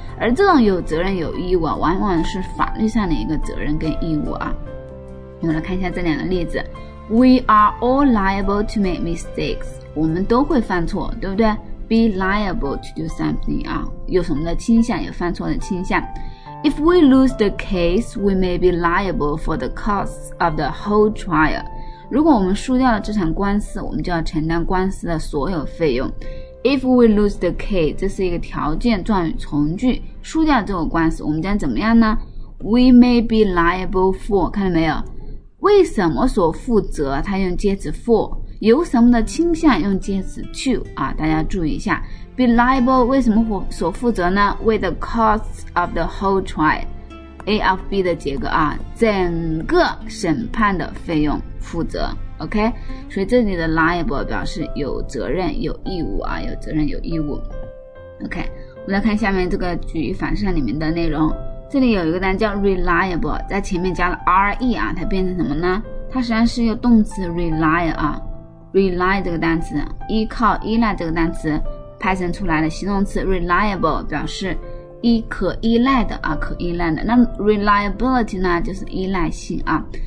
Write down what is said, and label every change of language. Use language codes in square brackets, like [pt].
[zh] 而这种有责任有义务啊，往往是法律上的一个责任跟义务啊。我们来看一下这两个例子。 [en] We are all liable to make mistakes， [zh] 我们都会犯错，对不对？ [en] Be liable to do something [zh] 啊，有什么的倾向，有犯错的倾向。 [en] If we lose the case, we may be liable for the costs of the whole trial. [zh] 如果我们输掉了这场官司，我们就要承担官司的所有费用。 [en] If we lose the case, [zh] 这是一个条件状语从句，输掉这个官司，我们将怎么样呢？ [en] We may be liable for, [zh] 看到没有？为什么所负责，它用介词 for, 有什么的倾向用介词 to, 啊，大家注意一下。 Be liable 为什么所负责呢？为 [en] the costs of the whole trial， [zh] A of B 的结构啊，整个审判的费用负责。 OK， 所以这里的 liable 表示有责任有义务啊，有责任有义务。 OK， 我们来看下面这个举一反三里面的内容。这里有一个单叫 reliable， 在前面加了 re 啊，它变成什么呢？它实际上是用动词 rely 啊， rely 这个单词，依靠依赖这个单词派生出来的形容词 reliable， 表示依可依赖的啊，可依赖的。那 reliability 呢，就是依赖性啊。